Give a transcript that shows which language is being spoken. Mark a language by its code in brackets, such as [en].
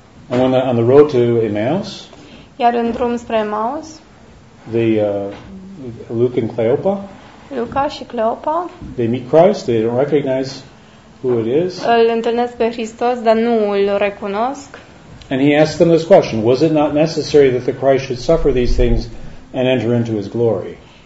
[en] And on the road to Emmaus. [ro] Iar în drum spre Emmaus. [en] The Luke and Cleopa. [ro] Luca și Cleopa. [en] They meet Christ. They don't recognize who it is. [ro] Îl întâlnesc pe Hristos, dar nu îl recunosc. [en] And he asked them this question: was it not necessary that the Christ should suffer these things and enter into his glory?